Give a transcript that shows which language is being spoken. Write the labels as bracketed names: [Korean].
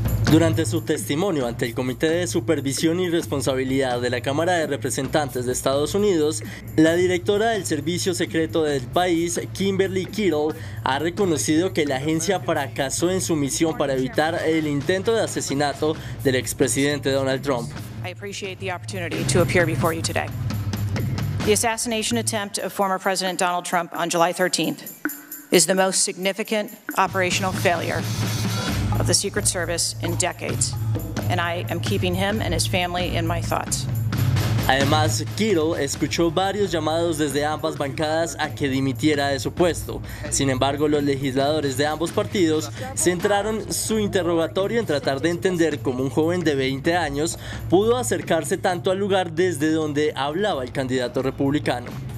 [Spanish] Durante su testimonio ante el Comité de Supervisión y Responsabilidad de la Cámara de Representantes de Estados Unidos, la directora del Servicio Secreto del país, Kimberly Kittle, ha reconocido que la agencia fracasó en su misión para evitar el intento de asesinato del expresidente Donald Trump. [English] I appreciate the opportunity to appear before you today. The assassination attempt of former President Donald Trump on July 13th is the most significant operational failure of the Secret Service in decades, and I am keeping him and his family in my thoughts. [Spanish] Además, Kittle escuchó varios llamados desde ambas bancadas a que dimitiera de su puesto. Sin embargo, los legisladores de ambos partidos centraron su interrogatorio en tratar de entender cómo un joven de 20 años pudo acercarse tanto al lugar desde donde hablaba el candidato republicano.